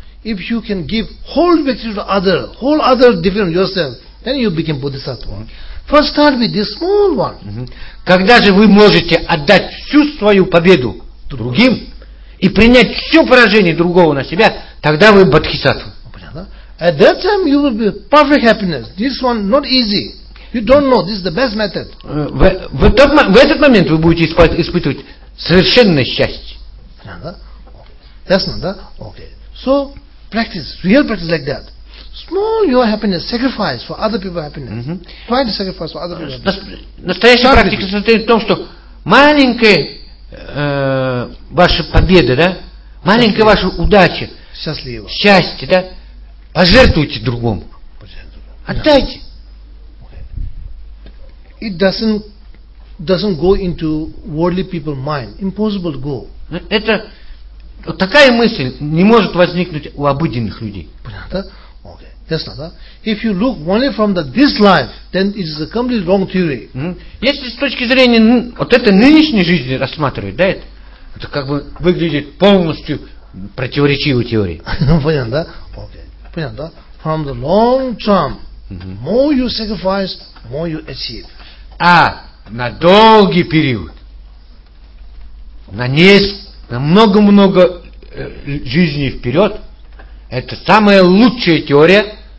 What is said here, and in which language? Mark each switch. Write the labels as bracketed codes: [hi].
[en] If you can give whole victory to other, whole other different yourself, then you become Bodhisattva. First start with this small one. [ru] Когда же вы можете отдать всю свою победу другим и принять все поражение другого на себя, тогда вы Бодхисаттва. Понятно? [en] At that time you will be perfect happiness. This one not easy. You don't know, this is the best method. [ru] В этот момент вы будете испытывать совершенное счастье. Понятно? [en] That's not, да? Okay. So, practice, real practice like that. Small your happiness, sacrifice for other people's happiness. Mm-hmm. Try to sacrifice for other people's happiness. [ru] Настоящая практика состоит в том, что маленькая ваша победа, да? Маленькая ваша удача. Счастливо. Счастье, да? Пожертвуйте другому. Отдайте. [en] It doesn't go into worldly people mind. Impossible to go. [ru] Это вот такая мысль не может возникнуть у обыденных людей. Понятно? [en] Okay. That's not, да? If you look only from the this life, then it is a completely wrong theory. Mm-hmm. [ru] Если с точки зрения вот этой нынешней жизни рассматривать, да, это как бы выглядит полностью противоречивой теории. Ну понятно, да? Okay. Понятно, да? [en] From the long term, more you sacrifice, more you achieve. [ru] А на долгий период, на много-много жизней вперед, это самая лучшая теория.